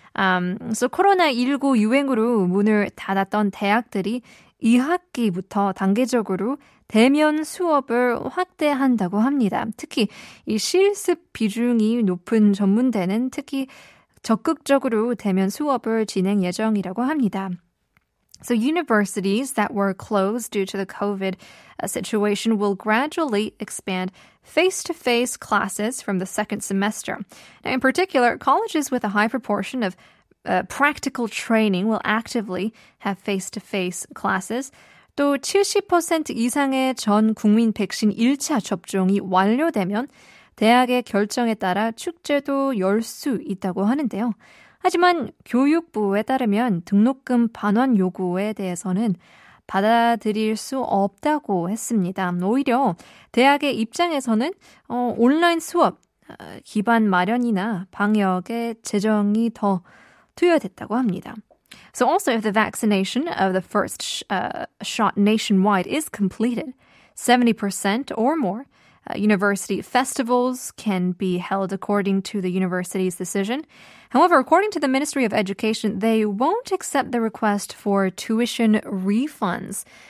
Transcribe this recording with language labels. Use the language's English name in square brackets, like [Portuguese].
[Korean] So 코로나19 유행으로 문을 닫았던 대학들이 2학기부터 단계적으로 대면 수업을 확대한다고 합니다. 특히 이 실습 비중이 높은 전문대는 특히 적극적으로 대면 수업을 진행 예정이라고 합니다. [English] So universities that were closed due to the COVID situation will gradually expand face-to-face classes from the second semester. Now, in particular, colleges with a high proportion of practical training will actively have face-to-face classes. [Korean] 또 70% 이상의 전 국민 백신 1차 접종이 완료되면 대학의 결정에 따라 축제도 열 수 있다고 하는데요. 하지만 교육부에 따르면 등록금 반환 요구에 대해서는 받아들일 수 없다고 했습니다. 오히려 대학의 입장에서는 온라인 수업 기반 마련이나 방역의 재정이 더 투여됐다고 합니다. [English] So also if the vaccination of the first shot nationwide is completed, 70% or more, university festivals can be held according to the university's decision. However, according to the Ministry of Education, they won't accept the request for tuition refunds.